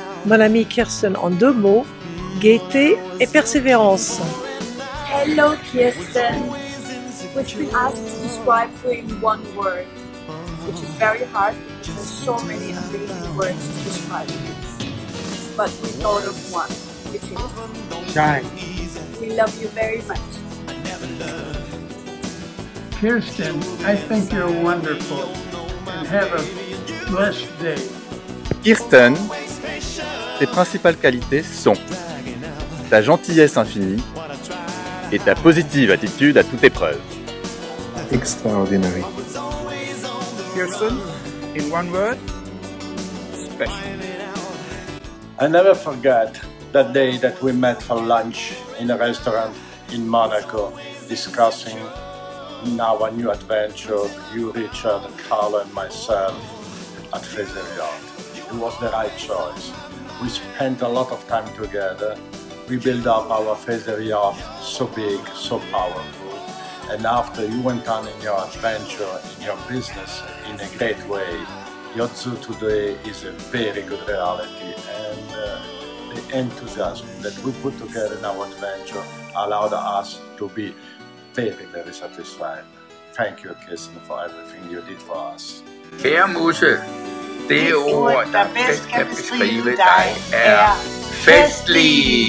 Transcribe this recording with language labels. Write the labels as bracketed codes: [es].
[fr] Mon ami Kirsten, en deux mots, gaieté et persévérance. [en] Hello, Kirsten. Which we asked to describe for you in one word, which is very hard because there's so many amazing words to describe you. But we thought of one, which is shine. We love you very much. Kirsten, I think you're wonderful, and have a blessed day. [fr] Kirsten, tes principales qualités sont ta gentillesse infinie et ta positive attitude à toute épreuve. [en] Extraordinary. Kirsten, in one word, special. I never forget that day that we met for lunch in a restaurant in Monaco, discussing our new adventure, you, Richard, Carl, and myself at Fraser Yacht. It was the right choice. We spent a lot of time together. We built up our Fraser Yacht so big, so powerful. And after you went on in your adventure, in your business, in a great way, Yacht Zoo today is a very good reality. And the enthusiasm that we put together in our adventure allowed us to be very, very satisfied. Thank you, Kirsten, for everything you did for us. [da] Kære Muse, det ord, der bedst kan beskrive dig, er festlig.